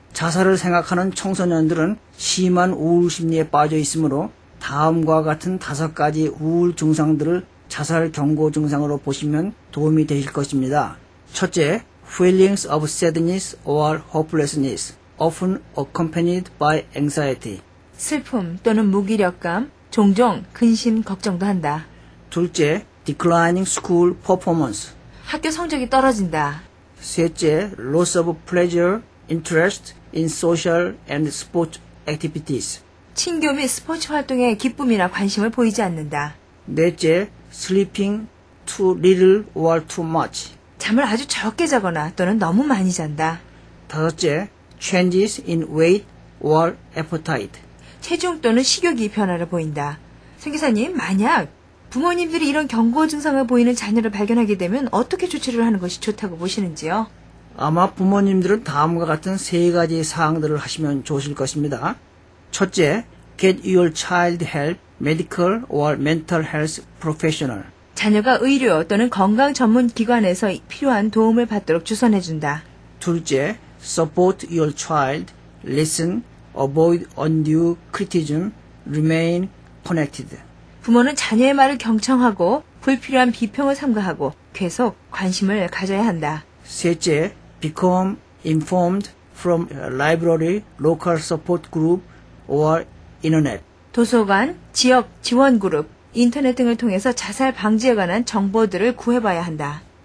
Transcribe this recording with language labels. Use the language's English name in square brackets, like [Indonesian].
[Korean] 자살을 생각하는 청소년들은 심한 우울 심리에 빠져 있으므로 다음과 같은 다섯 가지 우울 증상들을 자살 경고 증상으로 보시면 도움이 되실 것입니다. 첫째, [English] feelings of sadness or hopelessness, often accompanied by anxiety. [Korean] 슬픔 또는 무기력감, 종종 근심, 걱정도 한다. 둘째, [English] declining school performance. [Korean] 학교 성적이 떨어진다. 셋째, [English] loss of pleasure, interest in social and sports activities. [Korean] 친교 및 스포츠 활동에 기쁨이나 관심을 보이지 않는다. 넷째, [English] sleeping too little or too much. [Korean] 잠을 아주 적게 자거나 또는 너무 많이 잔다. 다섯째, [English] changes in weight or appetite. [Korean] 체중 또는 식욕이 변화를 보인다. 선교사님, 만약 부모님들이 이런 경고 증상을 보이는 자녀를 발견하게 되면 어떻게 조치를 하는 것이 좋다고 보시는지요? 아마 부모님들은 다음과 같은 세 가지 사항들을 하시면 좋으실 것입니다. 첫째, [English] get your child help, medical or mental health professional. [Korean] 자녀가 의료 또는 건강 전문 기관에서 필요한 도움을 받도록 주선해 준다. 둘째, [English] support your child, listen, avoid undue criticism, remain connected. [Korean] 부모는 자녀의 말을 경청하고 불필요한 비평을 삼가하고 계속 관심을 가져야 한다. 셋째, [English] become informed from library, local support group, or internet. [Korean] 도서관, 지역 지원 그룹, 인터넷 등을 통해서 자살 방지에 관한 정보들을 구해봐야 한다.